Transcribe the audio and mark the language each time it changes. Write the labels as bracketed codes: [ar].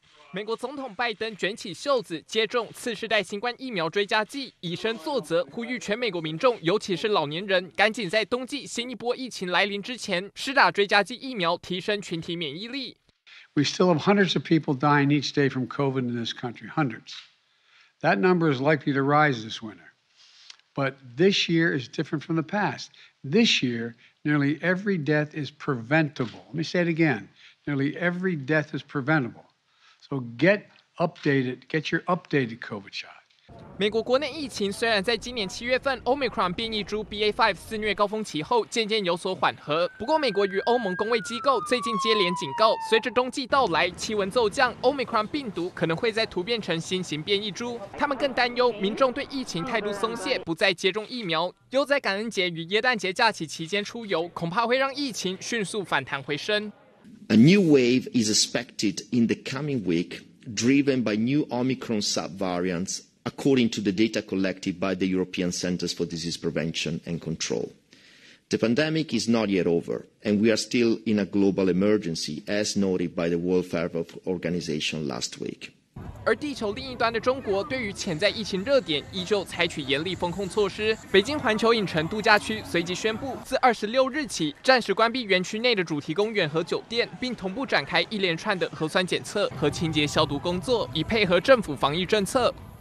[zh] 美国总统拜登卷起袖子接种次世代新冠疫苗追加剂，以身作则，呼吁全美国民众，尤其是老年人，赶紧在冬季新一波疫情来临之前施打追加剂疫苗，提升群体免疫力。 [en] We still have hundreds of people dying each day from COVID in this country, hundreds. That number is likely to rise this winter. But this year is different from the past. This year, nearly every death is preventable. Let me say it again. Nearly every death is preventable. So get updated, get your updated COVID shot. [zh] 美国国内疫情虽然在今年七月份 Omicron 变异株 BA.5 肆虐高峰期后渐渐有所缓和，不过美国与欧盟公卫机构最近接连警告，随着冬季到来，气温骤降， Omicron 病毒可能会再突变成新型变异株。他们更担忧民众对疫情态度松懈，不再接种疫苗，又在感恩节与耶诞节假期期间出游，恐怕会让疫情迅速反弹回升。 [en] A new wave is expected in the coming week, driven by new Omicron subvariants, according to the data collected by the European Centers for Disease Prevention and Control. The pandemic is not yet over, and we are still in a global emergency, as noted by the World Health Organization last week. [zh] 而地球另一端的中国对于潜在疫情热点依旧采取严厉封控措施。北京环球影城度假区随即宣布，自26日起暂时关闭园区内的主题公园和酒店，并同步展开一连串的核酸检测和清洁消毒工作，以配合政府防疫政策。